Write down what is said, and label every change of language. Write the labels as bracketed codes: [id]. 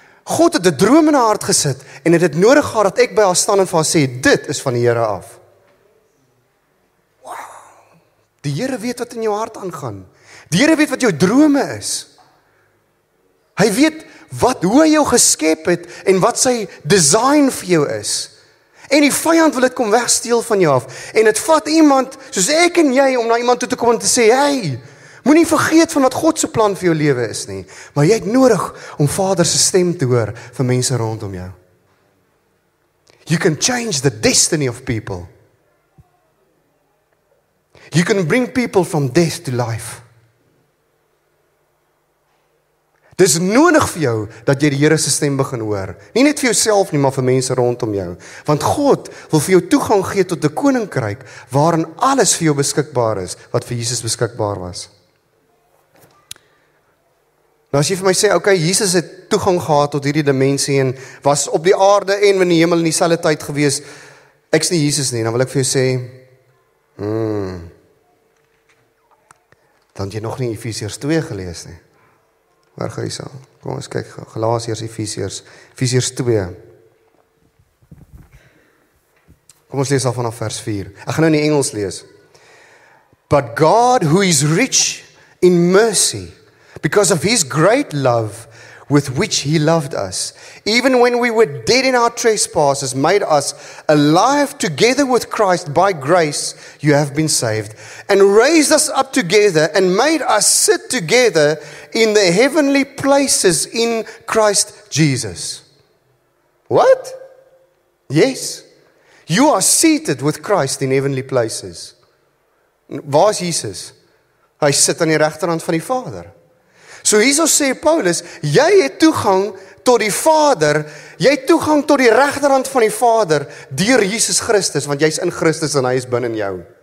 [af] God het die droom in haar hart gesit en het het nodig gehad dat ek by haar staan en vir haar sê, dit is van die Here af. Wow. Die Here weet wat in jou hart aangaan. Die Here weet wat jou drome is. Hy weet wat, hoe hy jou geskep het en wat sy design vir jou is. En die vijand wil het kom wegsteel van jou af. En het vat iemand, soos ek en jy, om na iemand toe te kom en te sê, hey, moet nie vergeet van wat Godse plan vir jou leven is nie. Maar jy het nodig om Vader se stem te hoor vir mense rondom jou. [en] You can change the destiny of people. You can bring people from death to life. [af] Het is nodig vir jou, dat jy die Here se stem begin hoor. Nie net vir jouself nie, maar vir mense rondom jou. Want God wil vir jou toegang gee tot die koninkryk, waarin alles vir jou beskikbaar is, wat vir Jesus beskikbaar was. Nou as jy vir my sê, okay, Jesus het toegang gehad tot hierdie dimensie, en was op die aarde en in die hemel in dieselfde tyd gewees, ek is nie Jesus nie, dan wil ek vir jou sê, dan jy nog nie Efesiërs 2 gelees nie. Waar ga jy so? Kom ons kyk, Galasiërs, Efesiërs, Efesiërs 2. Kom ons lees al vanaf vers 4. Ek gaan nou in die Engels lees. [en] But God, who is rich in mercy, because of his great love with which he loved us, even when we were dead in our trespasses, made us alive together with Christ. By grace you have been saved, and raised us up together, and made us sit together in the heavenly places in Christ Jesus. What? Yes. You are seated with Christ in heavenly places. [af] Waar is Jesus? Hy sit aan die regterhand van die Vader. So hierso sê Paulus, jy het toegang tot die Vader, jy het toegang tot die regterhand van die Vader, deur Jesus Christus, want jy is in Christus en hy is binnen jou.